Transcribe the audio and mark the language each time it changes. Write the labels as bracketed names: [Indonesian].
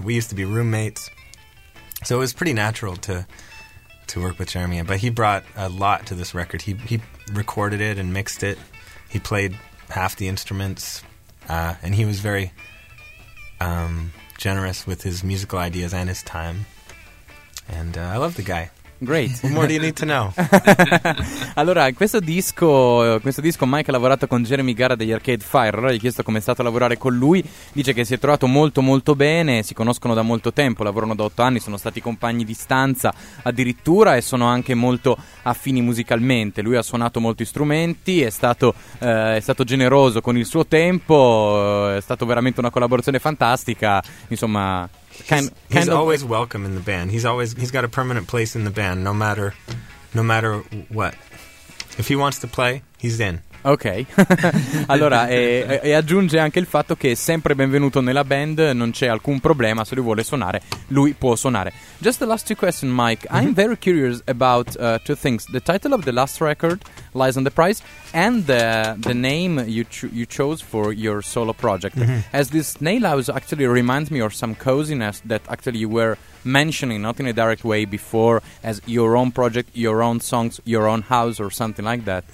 [English] We used to be roommates, so it was pretty natural to work with Jeremy, but he brought a lot to this record. He recorded it and mixed it. He played half the instruments, and he was very generous with his musical ideas and his time. And I love the guy. Great. What more do you need to know? [Italian] Allora, questo disco Mike ha lavorato con Jeremy Gara degli Arcade Fire. Allora gli ho chiesto com'è stato lavorare con lui. Dice che si è trovato molto molto bene, si conoscono da molto tempo, lavorano da 8 anni, sono stati compagni di stanza addirittura, e sono anche molto affini musicalmente. Lui ha suonato molti strumenti, è stato generoso con il suo tempo, è stato veramente una collaborazione fantastica, insomma... [English] He's always welcome in the band. He's got a permanent place in the band, no matter what. If he wants to play, he's in. Ok. [Italian] Allora, e aggiunge anche il fatto che è sempre benvenuto nella band, non c'è alcun problema, se lui vuole suonare, lui può suonare. [English] Just the last two questions, Mike. Mm-hmm. I'm very curious about two things. The title of the last record, Lies on the Prize, and the name you chose for your solo project. Mm-hmm. As this Snail House actually reminds me of some coziness that actually you were mentioning, not in a direct way, before, as your own project, your own songs, your own house or something like that.